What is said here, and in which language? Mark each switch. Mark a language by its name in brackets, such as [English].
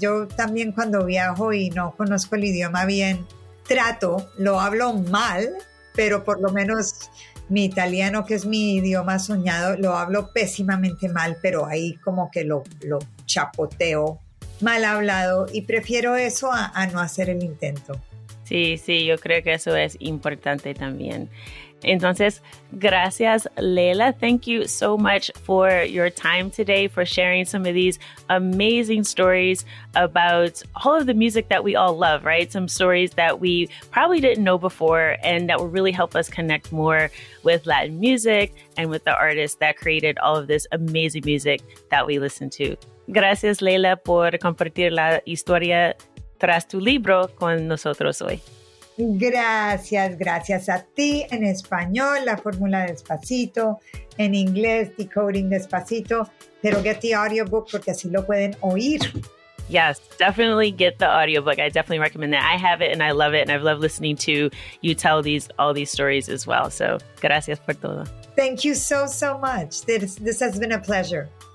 [Spanish] Yo también cuando viajo y no conozco el idioma bien, trato, lo hablo mal, pero por lo menos mi italiano, que es mi idioma soñado, lo hablo pésimamente mal, pero ahí como que lo chapoteo mal hablado y prefiero eso a no hacer el intento. Sí, sí, yo creo que eso es importante también. Entonces, gracias, Leila. [English] Thank you so much for your time today, for sharing some of these amazing stories about all of the music that we all love, right? Some stories that we probably didn't know before and that will really help us connect more with Latin music and with the artists that created all of this amazing music that we listen to. [Spanish] Gracias, Leila, por compartir la historia tras tu libro con nosotros hoy. Gracias, gracias a ti. En español, la fórmula Despacito. En inglés, Decoding Despacito. Pero [English] get the audiobook [Spanish] porque así lo pueden oír. [English] Yes, definitely get the audiobook. I definitely recommend that. I have it and I love it. And I love listening to you tell all these stories as well. [Spanish] So, gracias por todo. [English] Thank you so, so much. This has been a pleasure.